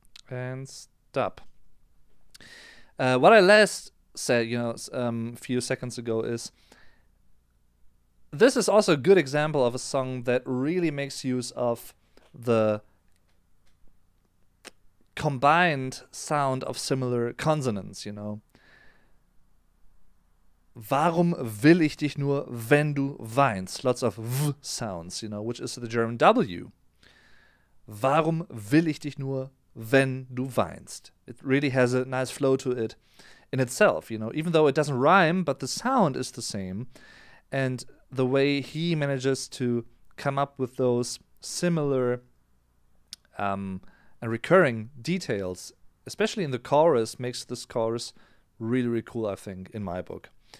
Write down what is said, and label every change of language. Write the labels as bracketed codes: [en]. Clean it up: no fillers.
[en] And stop. What I last said, you know, a few seconds ago is this is also a good example of a song that really makes use of the combined sound of similar consonants, you know. [de] Warum will ich dich nur, wenn du weinst? [en] Lots of W sounds, you know, which is the German W. [de] Warum will ich dich nur, wenn du weinst? [en] It really has a nice flow to it in itself, you know, even though it doesn't rhyme, but the sound is the same. And the way he manages to come up with those similar and recurring details, especially in the chorus, makes this chorus really, really cool, I think, in my book.